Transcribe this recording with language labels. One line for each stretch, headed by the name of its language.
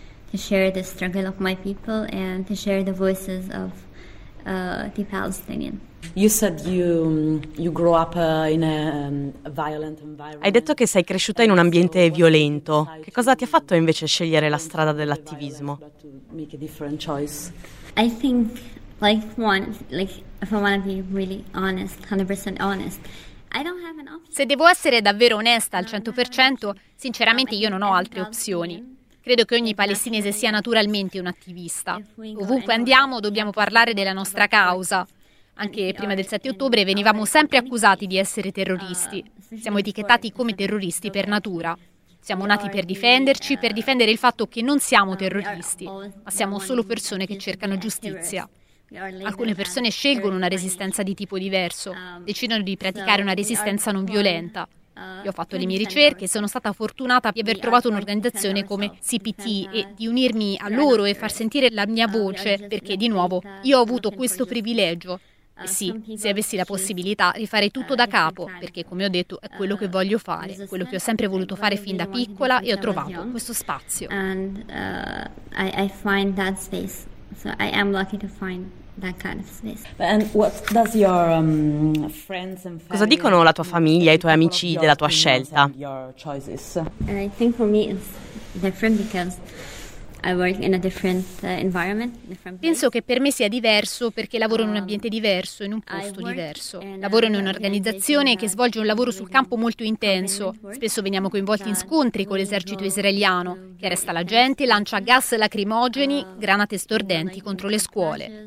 English: To share the struggle of my people and to share the voices of the Palestinian. You said you grew up in a violent environment.
Italian: Hai detto che sei cresciuta in un ambiente violento. Che cosa ti ha fatto invece scegliere la strada dell'attivismo?
English: Make a different choice. I think if I want to be really honest, 100% honest.
Italian: Se devo essere davvero onesta al 100%, sinceramente io non ho altre opzioni. Credo che ogni palestinese sia naturalmente un attivista. Ovunque andiamo dobbiamo parlare della nostra causa. Anche prima del 7 ottobre venivamo sempre accusati di essere terroristi. Siamo etichettati come terroristi per natura. Siamo nati per difenderci, per difendere il fatto che non siamo terroristi, ma siamo solo persone che cercano giustizia. Alcune persone scelgono una resistenza di tipo diverso, decidono di praticare una resistenza non violenta. Io ho fatto le mie ricerche e sono stata fortunata di aver trovato un'organizzazione come CPT e di unirmi a loro e far sentire la mia voce, perché di nuovo io ho avuto questo privilegio. E sì, se avessi la possibilità, rifarei tutto da capo, perché come ho detto è quello che voglio fare, quello che ho sempre voluto fare fin da piccola, e ho trovato questo spazio.
English: I find that space, so I am lucky to find that kind of space. And what does your friends and family?
Italian: Cosa dicono la tua famiglia e i tuoi amici della tua scelta?
English: I think for me it's different because I work in a different environment.
Italian: Penso che per me sia diverso perché lavoro in un ambiente diverso, in un posto diverso. Lavoro in un'organizzazione che svolge un lavoro sul campo molto intenso. Spesso veniamo coinvolti in scontri con l'esercito israeliano, che arresta la gente, lancia gas lacrimogeni, granate stordenti contro le scuole.